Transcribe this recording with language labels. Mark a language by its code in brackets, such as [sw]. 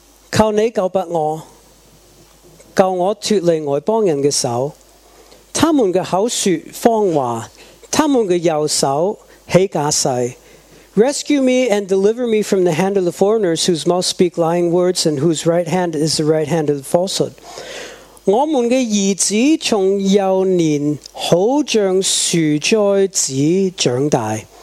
[zh] 求你救拔我, 救我脱离外邦人的手, 他们的口说谎话, 他们的右手起假誓。 [en] Rescue me and deliver me from the hand of the foreigners whose mouth speak lying words and whose right hand is the right hand of the falsehood. [zh] 我们的儿子从幼年好像树栽子长大。